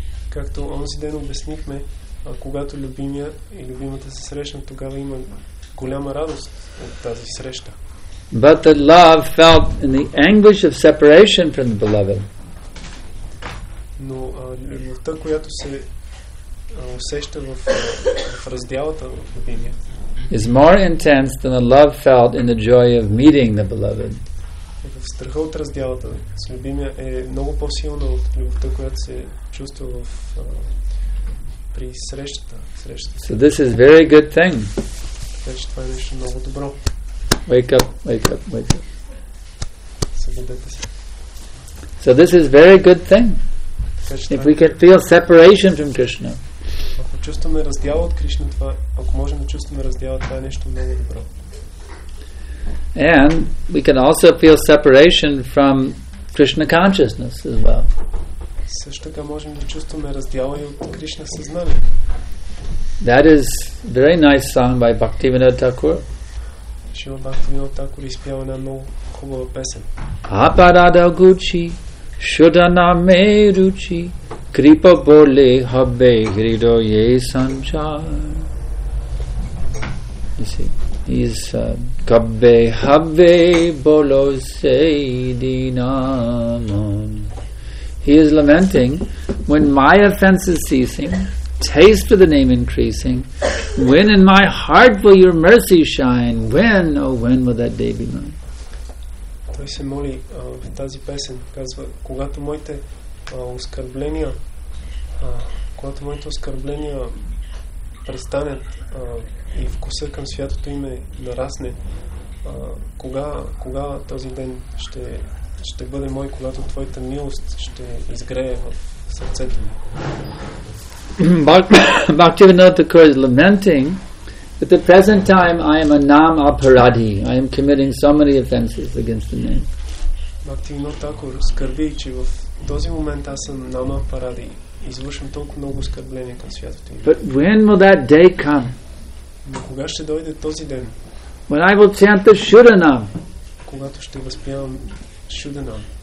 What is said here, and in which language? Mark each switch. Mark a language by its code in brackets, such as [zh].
[bg] Както онзи ден обяснихме, когато любимия и любимата се срещнат, тогава има голяма радост от тази среща. [en] But the love felt in the anguish of separation from the beloved. [bg] Но любовта, която се усеща в раздялата от любимия, [en] is more intense than the love felt in the joy of meeting the beloved. [bg] Страхът от раздялата с любимия е много по-силна от любовта, която се чувства в при срещата. [en] So this is very good thing. [bg] Така че това е нещо много добро. [en] Wake up. [bg] Събудете се. [en] So this is very good thing. If we can feel separation from Krishna. [bg] Ако чувстваме раздяла от Кришна, това, ако можем да чувстваме раздяла, това е нещо много добро. [en] And we can also feel separation from Krishna consciousness as well. [bg] Също така можем да чувстваме раздяла и от Кришна съзнание. [en] That is very nice song by Bhaktivinoda Thakur. [bg] Шрила Бхактивинода Такур изпява една много хубава песен. [bn] Апарада гучи, шудана ме ручи, крипа боле хабе гридо е санчар. [en] You see, he's [bn] кабе хабе боло сейди намам. [en] He is lamenting, when my offense is ceasing, taste for the name increasing, when in my heart will your mercy shine, when, oh when will that day be mine? [bg] Той се моли в тази песен, казва, когато моите оскърбления, когато моите оскърбления престанат и вкуса към святото име нарасне, кога този ден ще бъде мой, когато твоята милост ще изгрее в сърцето ми. [en] Bhaktivinoda Thakur is lamenting that the present time I am a nam aparadhi. I am committing so many offenses against the name. [bg] Bhaktivinoda Thakur скърби, че в този момент аз съм нам апаради. Извършвам толкова много оскърбления към святото име. [en] But when will that day come? [bg] Но кога ще дойде този ден? [en] When I will chant the Shudanam. [bg] Когато ще възпявам Shudanam.